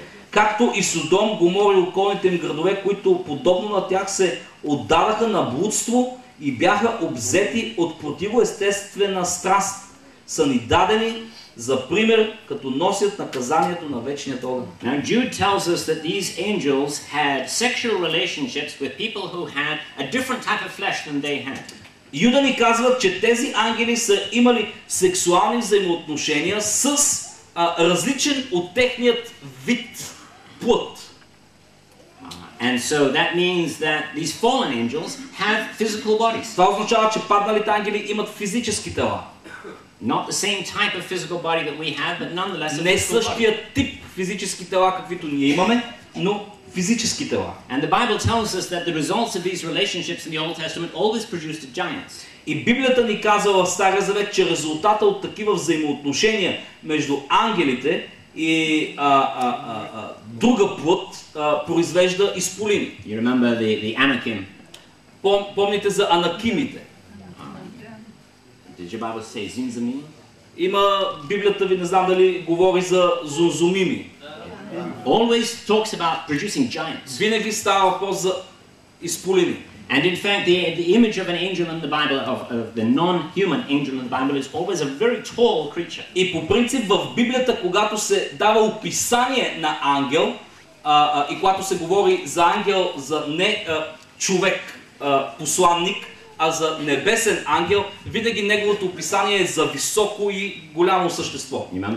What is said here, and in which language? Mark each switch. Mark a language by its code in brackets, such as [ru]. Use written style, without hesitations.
[bg] Както и Содом, Гомор и околните им градове, които подобно на тях се отдадаха на блудство и бяха обзети от противоестествена страст, са ни дадени за пример, като носят наказанието на вечния огън. [en] Now Jude tells us that these angels had sexual relationships with people who had a different type of flesh than they had. [bg] Юда ни казва, че тези ангели са имали сексуални взаимоотношения с различен от техният вид плът. [en] And so that means that these fallen angels have physical bodies. [bg] Това означава, че падналите ангели имат физически тела. [en] Not the same type of physical body that we have, but nonetheless [bg] не същия тип физически тела, каквито ние имаме, но физически тела. [en] And the Bible tells us that the results of these relationships in the Old Testament always produced giants. [bg] И Библията ни казва в Стария Завет, че резултата от такива взаимоотношения между ангелите и друга плът произвежда изполин. [en] You remember the Anakim? [bg] Помните за анакимите? [en] Did your Bible say zimzamim? [bg] Има Библията ви, не знам дали говори за зумзумими. [en] Always talks about producing giants. [bg] Винаги става въпрос за изполини. [en] And in fact, the image of an angel in the Bible, of the non-human angel in the Bible, is always a very tall creature. [bg] И по принцип в Библията, когато се дава описание на ангел, и когато се говори за ангел, за не човек, посланник, а за небесен ангел, винаги неговото описание е за високо и голямо същество.